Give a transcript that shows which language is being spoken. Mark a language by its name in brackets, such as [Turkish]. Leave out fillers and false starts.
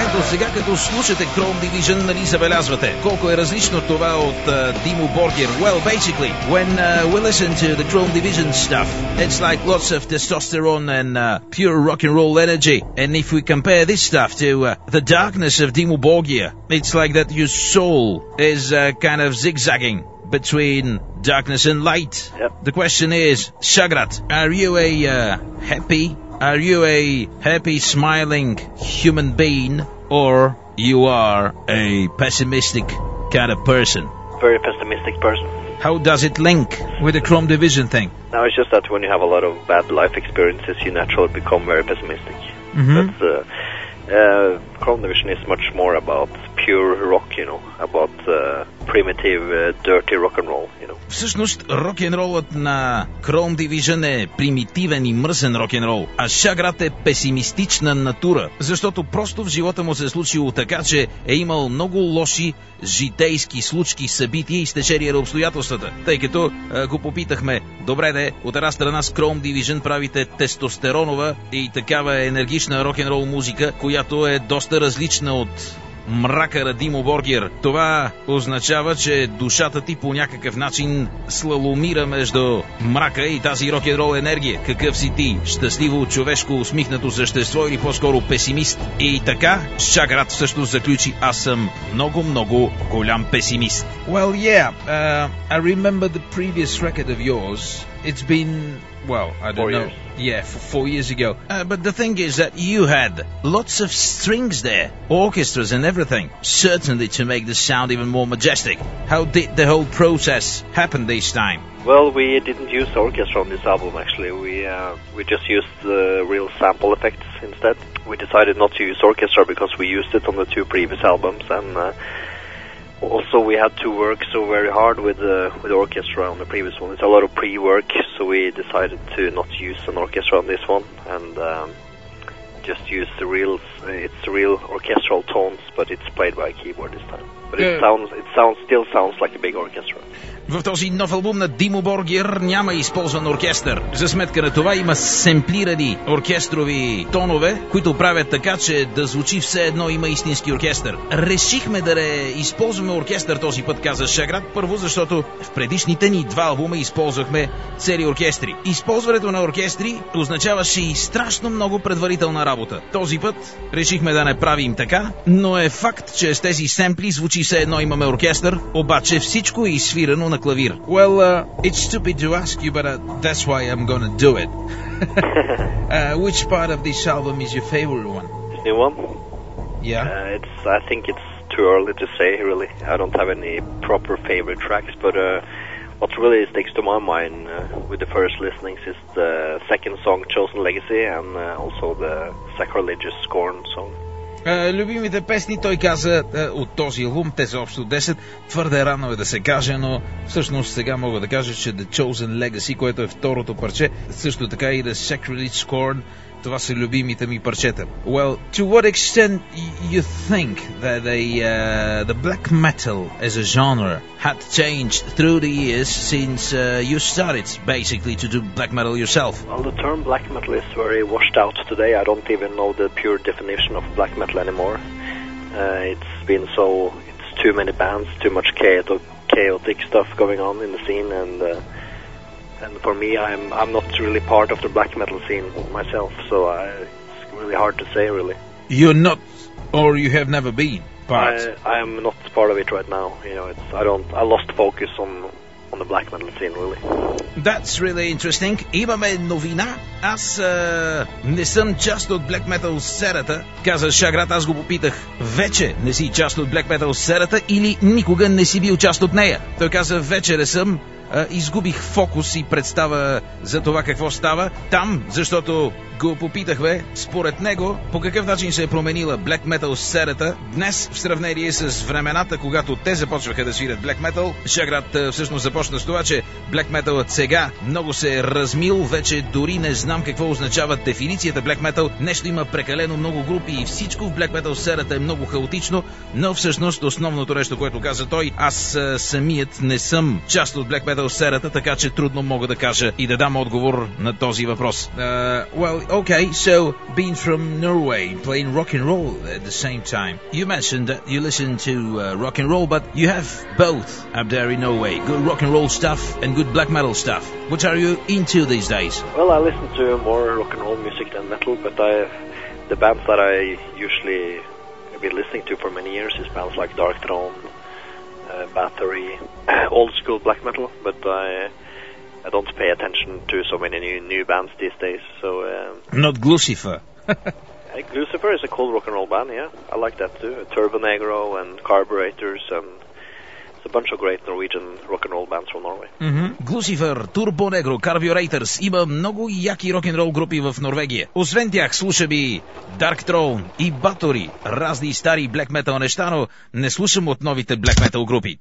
[Bulgarian] Сега като слушате Chrome Division, нали забелязвате колко е различно това от Dimmu Borgir? [English] Well, basically, when we listen to the Chrome Division stuff, it's like lots of testosterone and pure rock and roll energy. And if we compare this stuff to the darkness of Dimmu Borgir, it's like that your soul is kind of zigzagging between darkness and light. Yep. The question is, Shagrat, are you a happy? Are you a happy, smiling human being? Or you are a pessimistic kind of person? Very pessimistic person. How does it link with the Chrome Division thing? No, it's just that when you have a lot of bad life experiences, you naturally become very pessimistic. Mm-hmm. But Chrome Division is much more about pure rock, you know, about primitive, dirty rock and roll, you know. [Bulgarian] Всъщност, рок-н-ролът на Chrome Division е примитивен и мръсен рок-н-рол, а Шаграт е песимистична натура, защото просто в живота му се е случило така, че е имал много лоши житейски случки, събития и стечерия на обстоятелствата. Тъй като го попитахме, добре де, от една страна с Chrome Division правите тестостеронова и такава енергична рок-н-рол музика, която е доста различна от мрака на Dimmu Borgir. Това означава, че душата ти по някакъв начин слаломира между мрака и тази рок-н-рол енергия. Какъв си ти? Щастливо, човешко, усмихнато същество или по-скоро песимист? И така, Шаграт всъщност заключи, аз съм много-много голям песимист. [English] Well, yeah, I remember the previous record of yours. It's been, well, I don't four know. Years. Yeah, 4 years ago. But the thing is that you had lots of strings there, orchestras and everything, certainly to make the sound even more majestic. How did the whole process happen this time? Well, we didn't use orchestra on this album, actually. We just used the real sample effects instead. We decided not to use orchestra because we used it on the two previous albums, and also we had to work so very hard with orchestra on the previous one. It's a lot of pre-work, so we decided to not use an orchestra on this one, and just use the real, it's real orchestral tones, but it's played by a keyboard this time. But yeah, it still sounds like a big orchestra. [Bulgarian] В този нов албум на Димо Боргер няма използван оркестър. За сметка на това има семплирани оркестрови тонове, които правят така, че да звучи все едно има истински оркестър. Решихме да не използваме оркестър този път, каза Шаград, първо защото в предишните ни два албума използвахме цели оркестри. Използването на оркестри означаваше и страшно много предварителна работа. Този път решихме да не правим така, но е факт, че с тези семпли звучи все едно имаме оркестър, обаче всичко е изсвирано на клавир. [English] Well, it's stupid to ask you, but that's why I'm gonna do it. Which part of this album is your favorite one? This new one? Yeah. I think it's too early to say, really. I don't have any proper favorite tracks, but what really sticks to my mind with the first listenings is the second song, Chosen Legacy, and also the Sacrilegious Scorn song. [Bulgarian] Любимите песни, той каза, от този албум, те са общо 10. Твърде рано е да се каже, но всъщност сега мога да кажа, че The Chosen Legacy, което е второто парче, също така и The Sacrilege Scorn, това са любимите ми парчета. [English] Well, to what extent you think that the black metal as a genre had changed through the years since you started basically to do black metal yourself? Well, the term black metal is very washed out today. I don't even know the pure definition of black metal anymore. It's too many bands, too much chaotic stuff going on in the scene, and for me, I'm not really part of the black metal scene myself, so it's really hard to say, really. You're not, or you have never been, but I'm not part of it right now. You know, I lost focus on the black metal scene, really. That's really interesting. [Bulgarian] Имаме новина. Аз не съм част от Black Metal серата, каза Шаград. Аз го попитах. Вече не си част от Black Metal серата или никога не си бил част от нея? Той каза, вече не съм. Изгубих фокус и представа за това какво става там, защото го попитахме, според него, по какъв начин се е променила Black Metal серата днес в сравнение с времената, когато те започваха да свирят Black Metal. Шаград всъщност започна с това, че Black Metal сега много се е размил, вече дори не знам какво означава дефиницията Black Metal. Нещо има прекалено много групи и всичко в Black Metal серата е много хаотично, но всъщност основното нещо, което каза той, аз самият не съм част от Black Metal серата, така че трудно мога да кажа и да дам отговор на този въпрос. [English] Okay, so being from Norway, playing rock and roll at the same time, you mentioned that you listen to rock and roll, but you have both up there in Norway, good rock and roll stuff and good black metal stuff. What are you into these days? Well, I listen to more rock and roll music than metal, but the bands that I usually have been listening to for many years is bands like Dark Throne, Bathory, old school black metal, but I don't pay attention to so many new bands these days, so not Glucifer. Glucifer is a cool rock and roll band, yeah. I like that too. Turbo Negro and Carburetors, and it's a bunch of great Norwegian rock and roll bands from Norway. Mm-hmm. Glucifer, Turbo Negro, Carburetors. [Bulgarian] Има много яки рок and roll групи в Норвегия. Освен тях, слушам и Dark Throne и Bathory. Разни стари black metal неща, но не слушам от новите black metal групи.